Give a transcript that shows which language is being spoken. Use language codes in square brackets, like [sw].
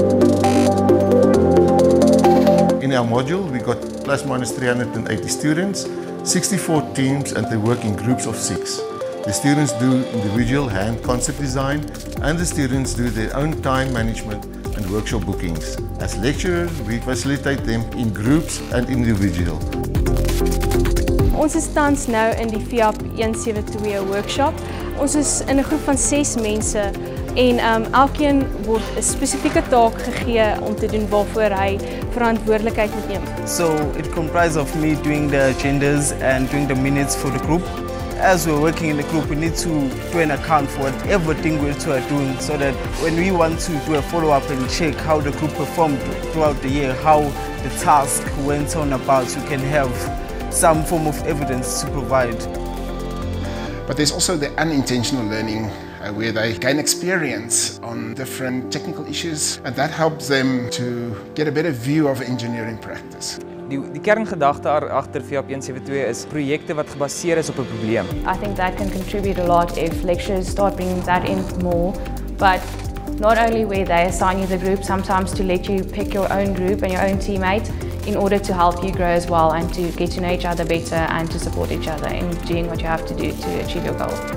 [en] In our module we got plus minus 380 students, 64 teams, and they work in groups of 6. The students do individual hand concept design and the students do their own time management and workshop bookings. As lecturers, we facilitate them in groups and individual. [af] Ons is tans nou in die FIAP 172 workshop. Ons is in 'n groep van 6 mense en elkeen word 'n spesifieke taak gegee om te doen waarvoor hy verantwoordelikheid moet neem. [en] So it comprises of me doing the agendas and doing the minutes for the group. As we're working in the group, we need to do an account for everything we are doing so that when we want to do a follow-up and check how the group performed throughout the year, how the task went on about, we can have some form of evidence to provide. But there's also the unintentional learning where they gain experience on different technical issues, and that helps them to get a better view of engineering practice. [af] Die kerngedagte agter VIAP 172 is projekte wat gebaseer is op 'n probleem. [en] I think that can contribute a lot if lectures start bringing that in more, but not only where they assign you the group, sometimes to let you pick your own group and your own teammate in order to help you grow as well and to get to know each other better and to support each other in doing what you have to do to achieve your goal.